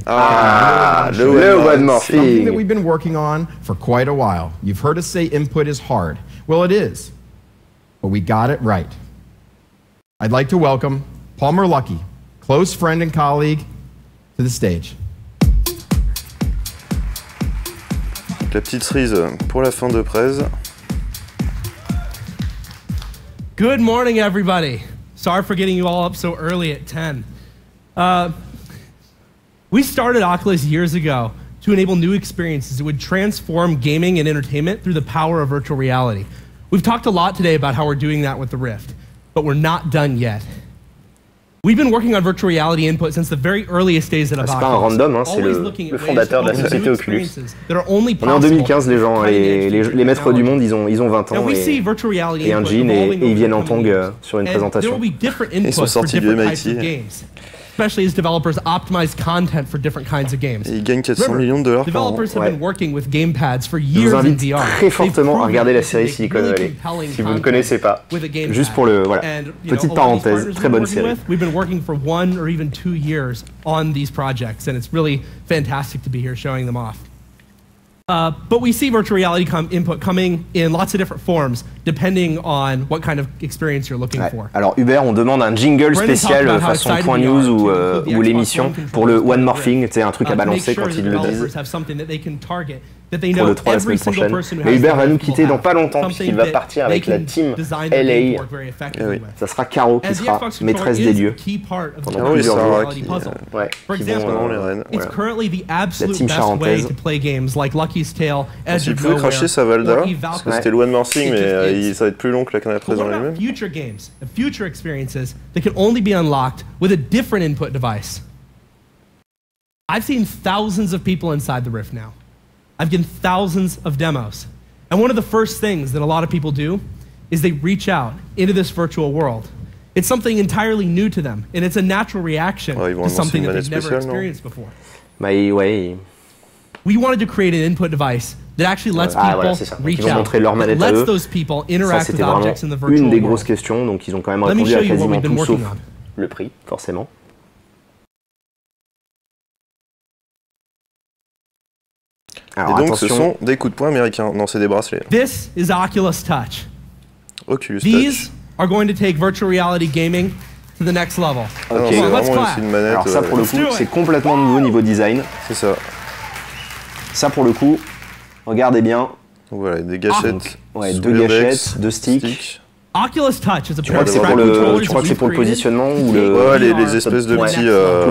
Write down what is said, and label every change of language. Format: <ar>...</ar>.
<en>Something that we've been working on for quite a while. You've heard us say input is hard. Well, it is. But we got it right. I'd like to welcome Palmer Luckey, close friend and colleague, to the stage.</en> <fr>La petite cerise pour la fin de presse.</fr> <en>Good morning, everybody. Sorry for getting you all up so early at 10. We started Oculus years ago to enable new experiences that would transform gaming and entertainment through the power of virtual reality. We've talked a lot today about how we're doing that with the Rift, but we're not done yet. We've been working on virtual reality input since the very earliest days of Oculus.</en> <fr>C'est pas un random, hein, c'est le fondateur de la société Oculus. On est en 2015, les gens, les maîtres du monde, ils ont 20 ans et un jean et ils viennent en tong sur une présentation. Ils sont sortis du MIT.</fr> <en>Especially as developers optimize content for different kinds of games.</en> <fr>Ils gagnent 400 millions de dollars par an.</fr> <en>Developers have been working with gamepads for years in VR.</en> <fr>Je vous invite très fortement à regarder la série Silicon Valley, si vous ne connaissez pas. Juste pour le, voilà, petite parenthèse, très bonne série.</fr> <en>We've been working for one or even two years on these projects, and it's really fantastic to be here showing them off. But we see virtual reality input coming in lots of different forms, depending on what kind of experience you're looking for.</en> <fr>Alors Hubert, on demande un jingle spécial façon Point News ou l'émission pour le One More Thing, c'est un truc à balancer quand ils le disent. Pour le 3 la semaine prochaine. Mais Hubert va nous quitter dans pas longtemps puisqu'il va partir avec la team LA. Ça sera Caro qui sera maîtresse des lieux. Pendant plusieurs jours. Qui vont vraiment les rênes. Voilà. La team charentaise. Tu peux cracher sa Valda parce que c'était le One More Thing, mais ça va être plus long que la canne à présent en lui-même.</fr> <en>Future games, future experiences that can only be unlocked with a different input device. I've seen thousands of people inside the Rift now. I've given thousands of demos. And one of the first things that a lot of people do is they reach out into this virtual world. It's something entirely new to them, and it's a natural reaction to something that they've never experienced before. We wanted to create an input device that actually lets people reach out, that lets those people interact with objects in the virtual world.</en> <fr>Grosses questions, donc ils ont quand même répondu à quasiment tout, sauf le prix, forcément.</fr> <en>Let me show you what we've been working on.</en> <fr>Alors, et donc, attention. Ce sont des coups de poing américains. Non, c'est des bracelets.</fr> <en>This is Oculus Touch. Oculus Touch. These are going to take virtual reality gaming to the next level.</en> <fr>Okay. Non, c'est vraiment aussi une manette. Alors ça, pour le coup, c'est complètement nouveau niveau design. C'est ça. Ça, pour le coup, regardez bien. Voilà, des gâchettes. Donc, ouais, deux gâchettes, deux sticks.</fr> <en>Oculus Touch is a pair of scratch controllers.</en> <fr>Tu crois que c'est pour le positionnement ou le les espèces de petits</fr>